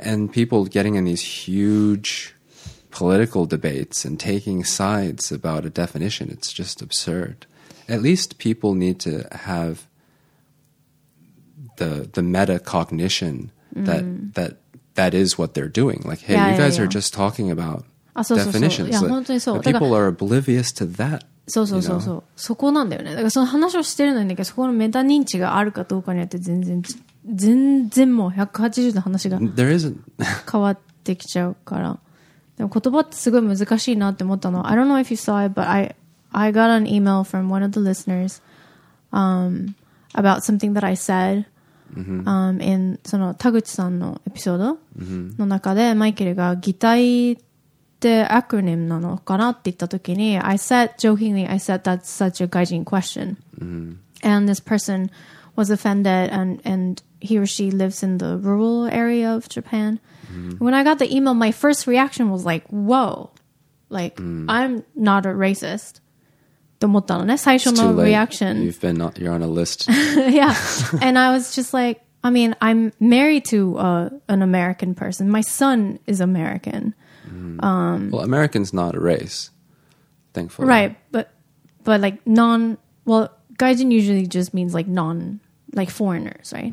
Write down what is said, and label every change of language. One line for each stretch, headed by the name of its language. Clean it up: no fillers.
English: And people getting in these huge political debates and taking sides about a definition, it's just absurd. At least people need to have the metacognition that is what they're doing. Like, hey, you guys are just talking about definitions. People are oblivious to that.
Japanese: そうそうそうそう。
English: You know?
Japanese: そこなんだよね。だからその話をしてるのにね、そこのメタ認知があるかどうかによって全然もう180度話が変わってきちゃうから。でも言葉ってすごい難しいなって思ったの。
English: I don't know if you saw it, but I got an email from one of the listeners about something that I said.
Japanese: In その田口さんのエピソードの中で、マイケルが擬態ってアクロニムなのかなって言ったときに、
English: I said jokingly, I said that's such a 外人 question. Mm-hmm. And this person was offended, and he or she lives in the rural area of Japan. Mm-hmm. When I got the email, my first reaction was like, whoa, like, I'm not a racist.
Japanese: って思ったのね、最初のリアクション。
English: You've been not, you're on a list. Yeah. And I was just like, I mean, I'm married to an American person. My son is American. Well, American's not a race, thankfully. Right. But like non, well, 外人 usually just means like non, like foreigners, right?